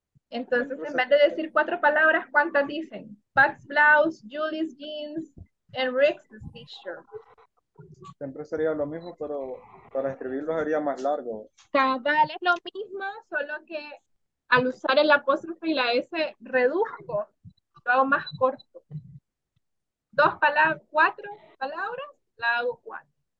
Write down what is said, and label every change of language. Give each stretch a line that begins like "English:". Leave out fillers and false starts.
Spanish: Entonces, en vez de decir 4 palabras, ¿cuántas dicen?
English: Pat's blouse, Julie's jeans, and Rick's t-shirt.
Spanish: Siempre sería lo mismo, pero para escribirlo sería más largo. Cabal, es lo mismo, solo que al usar el apóstrofe y la S, reduzco, lo hago más corto. Dos palabras, cuatro palabras, la hago cuatro.